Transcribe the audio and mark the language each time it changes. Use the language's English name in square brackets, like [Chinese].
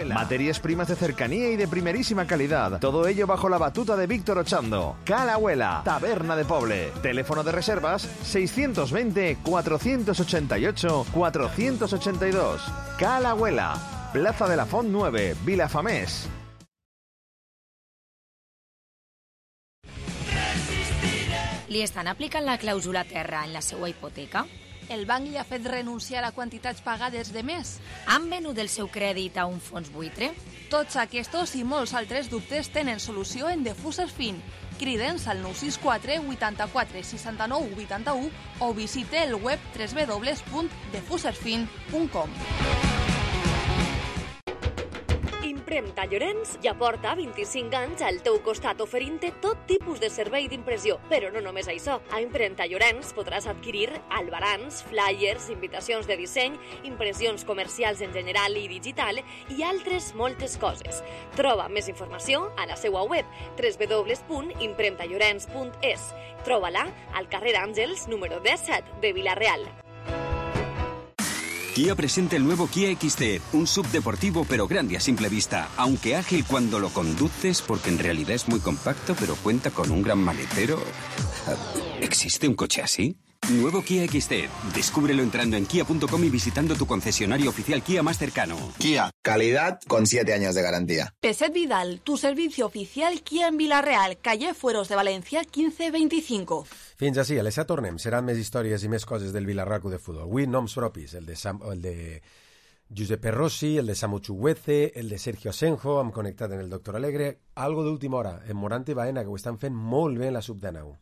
[Spanish] Materias primas de cercanía y de primerísima calidad. Todo ello bajo la batuta de Víctor Ochando. Calahuela, Taberna de Poble. Teléfono de reservas 620-488-482. Calahuela, Plaza de la Font 9, Vilafamés. [Catalan] ¿Li estan aplicant la clàusula terra en la seva hipoteca? El banc li ha fet renunciar a quantitats pagades de més. Han venut el seu crèdit a un fons buitre? Tots aquests i molts altres dubtes tenen solució en Defuses Fin. Crida'ns al 964-84-69-81 o visite el web www.defusesfin.com. Impremta Llorenç ja porta 25 anys al teu costat oferint-te tot tipus de servei d'impressió. Però no només això. A Impremta Llorenç podràs adquirir albarans, flyers, invitacions de disseny, impressions comercials en general i digital i altres moltes coses. Troba més informació a la seva web www.impremtallorenç.es. Troba-la al carrer Àngels número 17 de Villarreal. [Spanish] Kia presenta el nuevo Kia XT, un SUV deportivo pero grande a simple vista, aunque ágil cuando lo conduces porque en realidad es muy compacto pero cuenta con un gran maletero. ¿Existe un coche así? Nuevo Kia XT. Descúbrelo entrando en Kia.com y visitando tu concesionario oficial Kia más cercano. Kia. Calidad con 7 años de garantía. Peset Vidal. Tu servicio oficial Kia en Vilareal. Calle Fueros de València 1525. [Catalan] Fins així, a l'Esa tornem. Seran més històries i més coses del Vilarraco de futbol. Avui, noms propis. El de Giuseppe Rossi, el de Samu Chukwueze, el de Sergio Asenjo, hem connectat amb el doctor Alegre. Algo d'última hora, en Morant i Baena, que ho estan fent molt bé en la Sub-19.